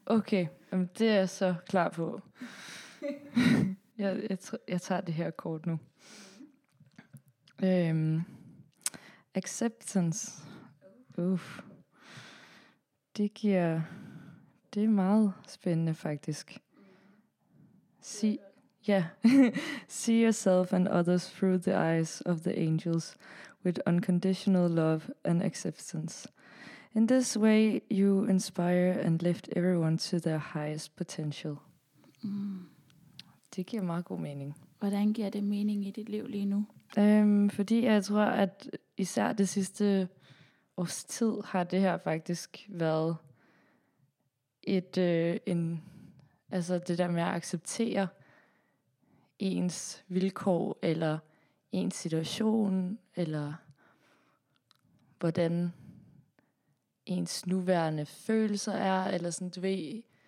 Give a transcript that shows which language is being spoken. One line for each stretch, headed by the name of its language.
Danish: Okay, jamen, det er jeg så klar på. Jeg tager det her kort nu.
English: Acceptance.
Danish: Det er meget spændende faktisk.
English: See yourself and others through the eyes of the angels with unconditional love and acceptance. In this way you inspire and lift everyone to their highest potential.
Danish: Det giver meget god mening. Hvordan giver det mening i dit liv lige nu? Fordi jeg tror, at især det sidste års tid har det her faktisk været det der med at acceptere ens vilkår eller ens situation eller hvordan ens nuværende følelser er eller sådan, du ved.